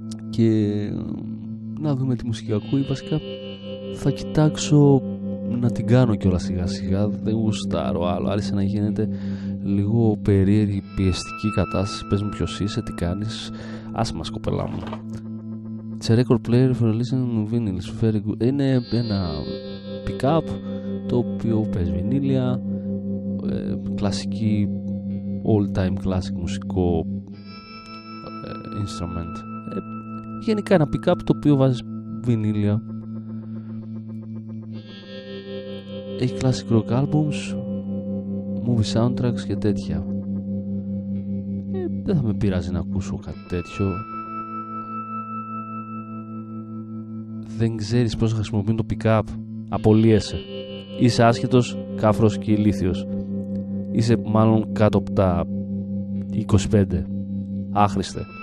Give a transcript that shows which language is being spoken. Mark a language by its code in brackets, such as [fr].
[el] Και να δούμε τι μουσική ακούει. Βασικά θα κοιτάξω να την κάνω κιόλα σιγά σιγά. Δεν γουστάρω άλλο. Άρχισε να γίνεται λίγο περίεργη πιεστική κατάσταση. Πες μου ποιος είσαι, τι κάνεις. Άσε μας, κοπελά μου. [en] It's a record player for listening vinyls. Very good. [el] Είναι ένα pick-up το οποίο παίζει βινίλια. Κλασική, [en] all time classic [el] μουσικό [en] instrument. [el] Γενικά ένα pick-up το οποίο βάζει βινίλια. Έχει [en] classic rock albums, movie soundtracks [el] και τέτοια. Δεν θα με πειράζει να ακούσω κάτι τέτοιο. Δεν ξέρεις πώς χρησιμοποιούν το pick-up. Απολύεσαι. Είσαι άσχετος, κάφρος και ηλίθιος. Είσαι μάλλον κάτω από τα 25. Άχρηστε.